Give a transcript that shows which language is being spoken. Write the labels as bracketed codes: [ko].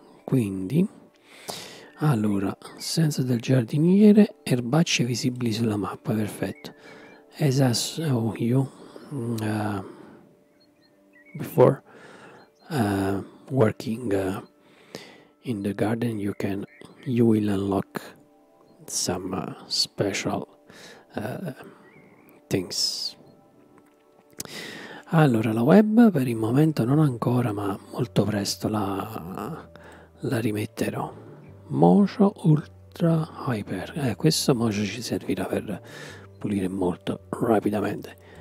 [it] Quindi, allora, senso del giardiniere, erbacce visibili sulla mappa, perfetto. [en] As I saw you before working in the garden, you will unlock some special things. [it] Allora, la web per il momento non ancora, ma molto presto la rimetterò. Mojo Ultra Hyper, questo mojo ci servirà per pulire molto rapidamente.